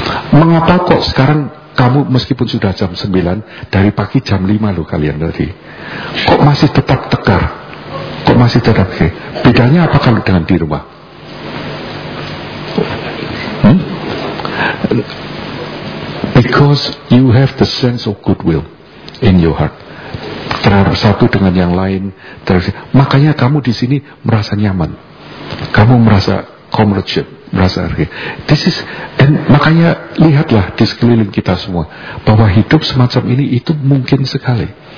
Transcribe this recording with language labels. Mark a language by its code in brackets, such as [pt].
[id] Mengapa kok sekarang kamu meskipun sudah jam 9 dari pagi jam 5 loh kalian tadi, kok masih tetap tegar? kok masih tetap oke? Bedanya apa kalau dengan di rumah? [en] Because you have the sense of goodwill in your heart. [id] Terhadap satu dengan yang lain, makanya kamu di sini merasa nyaman. Kamu merasa comradeship, merasa hargai. [en] This is, [id] dan makanya lihatlah di sekeliling kita semua bahwa hidup semacam ini itu mungkin sekali.